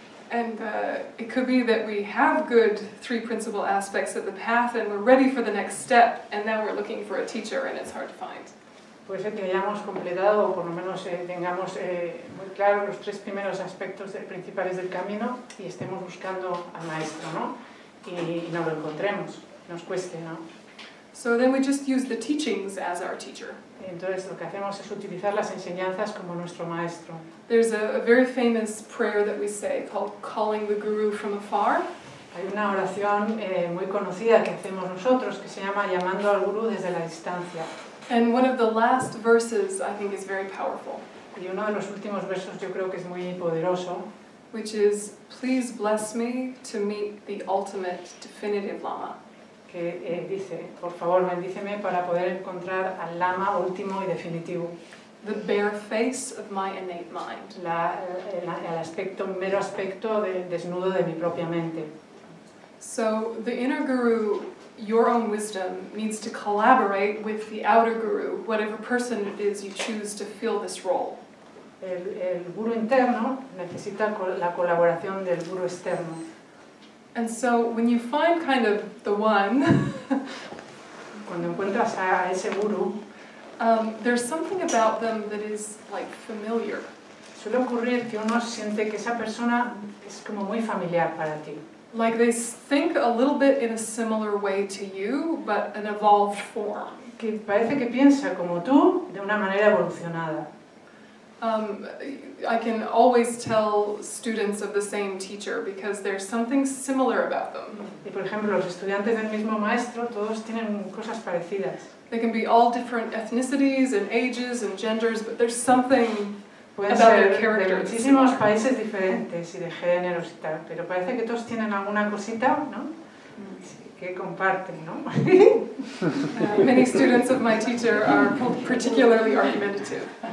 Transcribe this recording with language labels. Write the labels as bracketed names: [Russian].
[English] And it could be that we have good three principal aspects of the path and we're ready for the next step, and now we're looking for a teacher and it's hard to find. [Spanish] Puede ser que hayamos completado, o por lo menos tengamos muy claro los tres primeros aspectos principales del camino y estemos buscando al maestro, ¿no? Y no lo encontremos, nos cueste, ¿no? [English] So then we just use the teachings as our teacher. [Spanish] Entonces lo que hacemos es utilizar las enseñanzas como nuestro maestro. [English] There's a very famous prayer that we say called calling the guru from afar. [Spanish] Hay una oración muy conocida que hacemos nosotros que se llama llamando al guru desde la distancia. [English] And one of the last verses, I think, is very powerful. [Spanish] Y uno de los últimos versos, yo creo que es muy poderoso. [English] Which is, please bless me to meet the ultimate, definitive Lama. [Spanish] Que dice, por favor, bendíceme para poder encontrar al Lama último y definitivo. [English] The bare face of my innate mind. [Spanish] El aspecto, mero aspecto de, desnudo de mi propia mente. [English] So, the inner guru, your own wisdom needs to collaborate with the outer guru, whatever person it is you choose to fill this role. [Spanish] El guru interno necesita la colaboración del guru externo. [English] And so when you find kind of the one, [Spanish] cuando encuentras a ese guru, [English] there's something about them that is like familiar. [Spanish] Es suele ocurrir que uno siente que esa persona es como muy familiar para ti. [English] Like they think a little bit in a similar way to you, but an evolved form. [Spanish] Que parece que piensa como tú, de una manera evolucionada. [English] I can always tell students of the same teacher because there's something similar about them. [Spanish] Y por ejemplo, los estudiantes del mismo maestro, todos tienen cosas parecidas. [English] They can be all different ethnicities and ages and genders, but there's something about their character. [Spanish] Pueden ser de muchísimos países diferentes y de géneros y tal, pero parece que todos tienen alguna cosita, ¿no? Que comparten, ¿no? [English] Many students of my teacher are particularly argumentative.